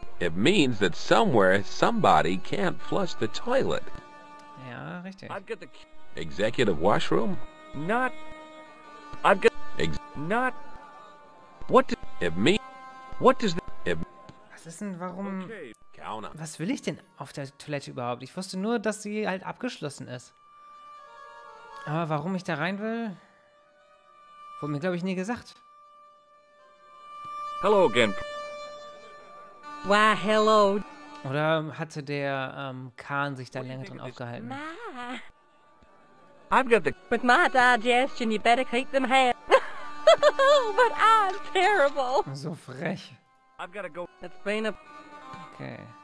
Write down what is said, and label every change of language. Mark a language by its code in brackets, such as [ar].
[en] It means that somewhere somebody can't flush the toilet. [de] Ja, richtig. [en] I've got the... Executive washroom? Not. I've got. Ex. Not. What does it mean? What does it mean? [de] Was ist denn, warum... Was will ich denn auf der Toilette überhaupt? Ich wusste nur, dass sie halt abgeschlossen ist. Aber warum ich da rein will, wurde mir, glaube ich, nie gesagt. [en] Hello again. Wow, hello. [de] Oder hatte der Kahn sich da länger drin aufgehalten? [en] I've got the... With my digestion, you better keep them hands. But I'm terrible. [de] So frech. [en] I've got to go. It's been a... Okay.